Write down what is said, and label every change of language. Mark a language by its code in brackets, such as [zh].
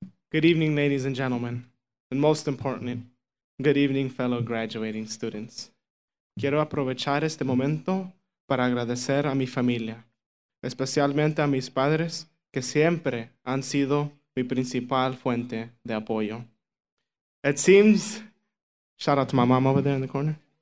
[en] Good evening, ladies and gentlemen, and most importantly, good evening, fellow graduating students. [es] Quiero aprovechar este momento para agradecer a mi familia, especialmente a mis padres, que siempre han sido mi principal fuente de apoyo. [en] It seems, shout out to my mom over there in the corner.